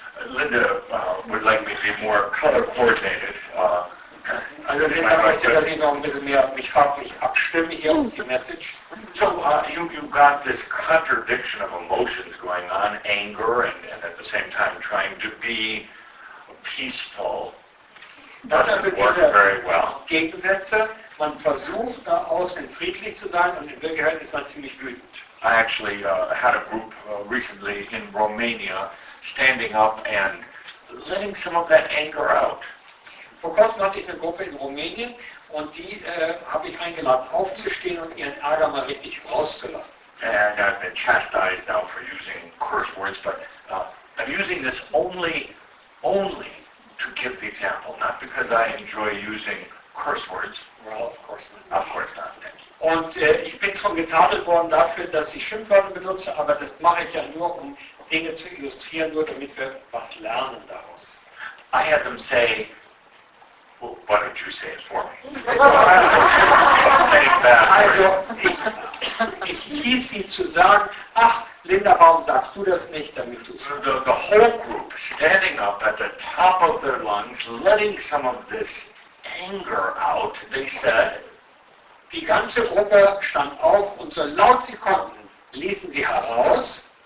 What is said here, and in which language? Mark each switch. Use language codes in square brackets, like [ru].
[en] Linda would like me to be more color coordinated. [de] Also Linda möchte, dass ich noch ein bisschen mehr mich farblich abstimme hier auf die Message. [en] So you've got this contradiction of emotions going on, anger and at the same time trying to be peaceful. [de] Das [en] doesn't work very well. [de] Gegensätze. Man versucht da außen friedlich zu sein und in Wirklichkeit ist man ziemlich wütend. [en] I actually had a group recently in Romania standing up and letting some of that anger out. [de] Vor kurzem hatte ich eine Gruppe in Rumänien und die habe ich eingeladen aufzustehen und ihren Ärger mal richtig rauszulassen. [en] And I've been chastised now for using curse words, but I'm using this only to give the example, not because I enjoy using curse words. Well, of course not. Of course not, thank you. [de] Und ich bin schon getadelt worden dafür, dass ich Schimpfwörter benutze, aber das mache ich ja nur, um Dinge zu illustrieren, nur damit wir was lernen daraus. [en] I had them say, well, why don't you say it for me? [de] Also, ich hieß sie zu sagen, ach, Linda, warum sagst du das nicht, damit du es sagst? [en] The whole group standing up at the top of their lungs, letting some of this anger out, they said, [de] die ganze Gruppe stand auf und so laut sie konnten, ließen sie heraus.